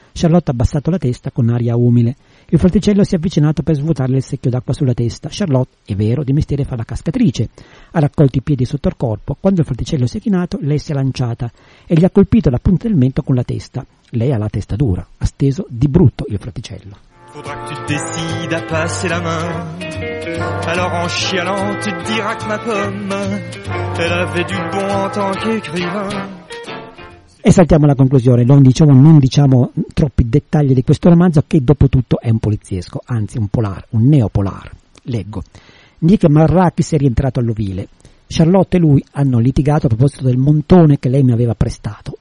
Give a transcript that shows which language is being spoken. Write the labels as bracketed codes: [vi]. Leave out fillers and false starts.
[it] Charlotte ha abbassato la testa con aria umile. Il fraticello si è avvicinato per svuotarle il secchio d'acqua sulla testa. Charlotte, è vero, di mestiere fa la cascatrice. Ha raccolto i piedi sotto il corpo. Quando il fraticello si è chinato, lei si è lanciata e gli ha colpito la punta del mento con la testa. Lei ha la testa dura. Ha steso di brutto il fraticello. [fr] Faudra que tu décides à passer la main. Alors en chialant, tu diras que ma pomme, elle avait du bon en tant qu'écrivain. [it] E saltiamo alla conclusione, non diciamo troppi dettagli di questo romanzo che dopo tutto è un poliziesco, anzi un polar, un neopolar. Leggo. Nick Marrakis è rientrato all'ovile. Charlotte e lui hanno litigato a proposito del montone che lei mi aveva prestato.